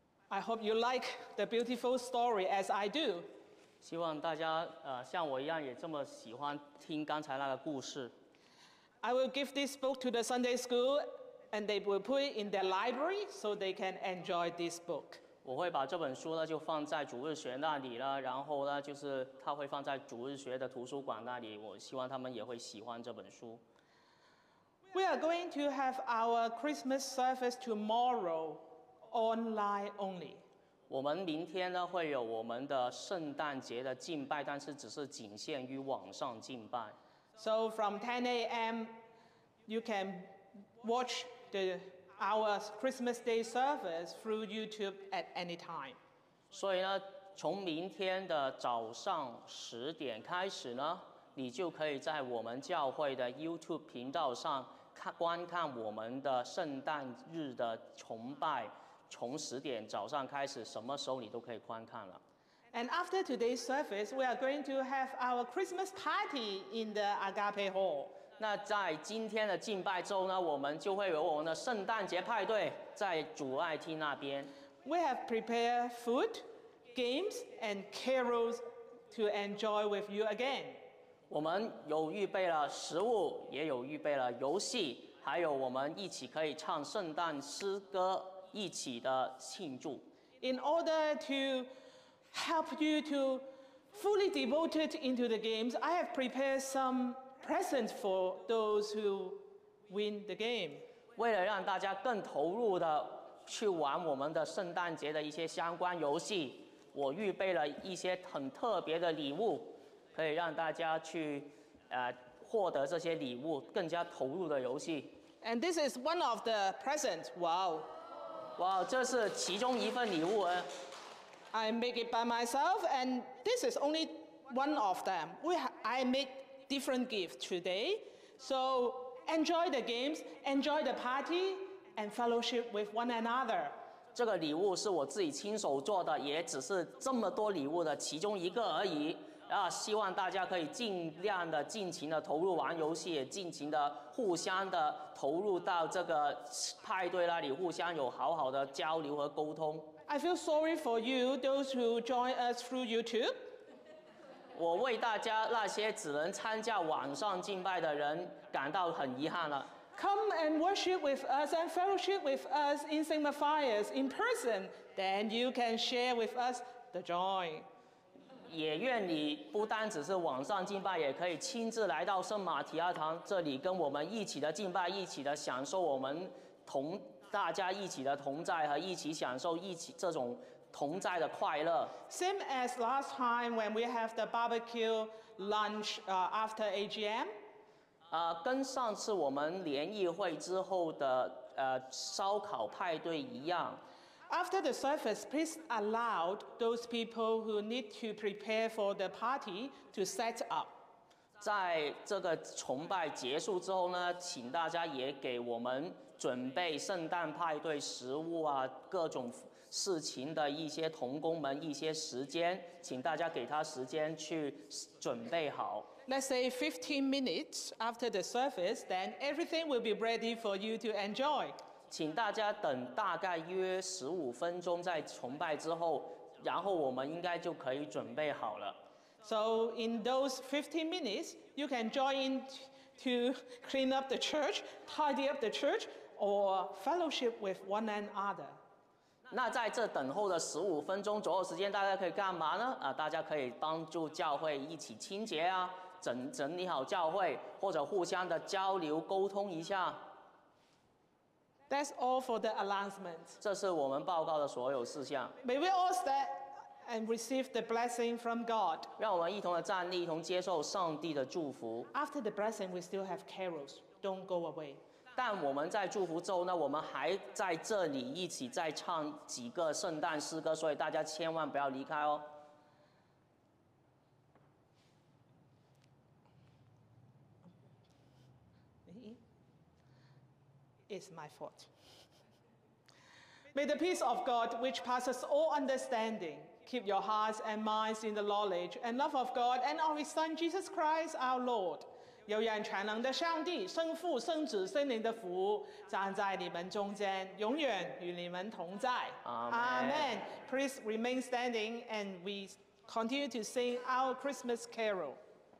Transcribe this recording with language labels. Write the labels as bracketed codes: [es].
[en] I hope you like the beautiful story as I do. [zh] 希望大家像我一样也这么喜欢听刚才那个故事。 [en] I will give this book to the Sunday school and they will put it in their library so they can enjoy this book. [zh] 我会把这本书呢就放在主日学那里了，然后呢就是它会放在主日学的图书馆那里，我希望他们也会喜欢这本书。 [en] We are going to have our Christmas service tomorrow. Online only. [zh] 我们明天呢会有我们的圣诞节的敬拜，但是只是仅限于网上敬拜。 [en] So from 10 a.m., you can watch our Christmas Day service through YouTube at any time. [zh] 所以呢，从明天的早上十点开始呢，你就可以在我们教会的 YouTube 频道上观看我们的圣诞日的崇拜。从十点早上开始，什么时候你都可以观看了。 [en] And after today's service, we are going to have our Christmas party in the Agape Hall. [zh] 那在今天的敬拜周呢，我们就会有我们的圣诞节派对在主爱厅那边。 [en] We have prepared food, games, and carols to enjoy with you again. [zh] 我们有预备了食物，也有预备了游戏，还有我们一起可以唱圣诞诗歌。一起的庆祝。 [en] In order to help you to fully devote it into the games, I have prepared some presents for those who win the game. [zh] 为了让大家更投入的去玩我们的圣诞节的一些相关游戏，我预备了一些很特别的礼物，可以让大家去获得这些礼物，更加投入的游戏。 [en] And this is one of the presents. Wow. [zh] 哇、wow, 这是其中一份礼物、 [en] 啊、I make it by myself and this is only one of them. I make different gifts today. So enjoy the games, enjoy the party and fellowship with one another. [zh] 这个礼物是我自己亲手做的，也只是这么多礼物的其中一个而已、啊、希望大家可以尽量的尽情的投入玩游戏，也尽情的互相的投入到这个派对那里，互相有好好的交流和沟通。 [en] I feel sorry for you, those who join us through YouTube. [zh] 我为大家那些只能参加网上敬拜的人感到很遗憾了。 [en] Come and worship with us and fellowship with us in Sigma Fires in person, then you can share with us the joy. [zh] 也愿你不单只是网上敬拜，也可以亲自来到圣马提亚堂这里，跟我们一起的敬拜，一起的享受我们同大家一起的同在和一起享受一起这种同在的快乐。 [en] Same as last time when we have the barbecue lunch after AGM. [zh] 跟上次我们联谊会之后的烧烤派对一样。 [en] After the service, please allow those people who need to prepare for the party to set up. [zh] 在这个崇拜结束之后呢，请大家也给我们准备圣诞派对食物啊，各种事情的一些同工们一些时间，请大家给他时间去准备好。 [en] Let's say 15 minutes after the service, then everything will be ready for you to enjoy. [zh] 请大家等大概约15分钟在崇拜之后，然后我们应该就可以准备好了。 [en] So in those 15 minutes, you can join in to clean up the church, tidy up the church, or fellowship with one another. [zh] 那在这等候的15分钟左右时间，大家可以干嘛呢？大家可以帮助教会一起清洁啊，整理好教会，或者互相的交流沟通一下。 [en] That's all for the announcement. [zh] 这是我们报告的所有事项。 [en] May we all stand and receive the blessing from God. [zh] 让我们一同的站立，一同接受上帝的祝福。 [en] After the blessing, we still have carols. Don't go away. [zh] 但我们在祝福之后呢，我们还在这里一起再唱几个圣诞诗歌，所以大家千万不要离开哦。 [en] It's my fault. May the peace of God, which passes all understanding, keep your hearts and minds in the knowledge and love of God and of His Son Jesus Christ, our Lord. [zh] 有人全能的上帝，圣父、圣子、圣灵的福，站在你们中间，永远与你们同在。 [en] Amen. Amen. Please remain standing, and we continue to sing our Christmas carol.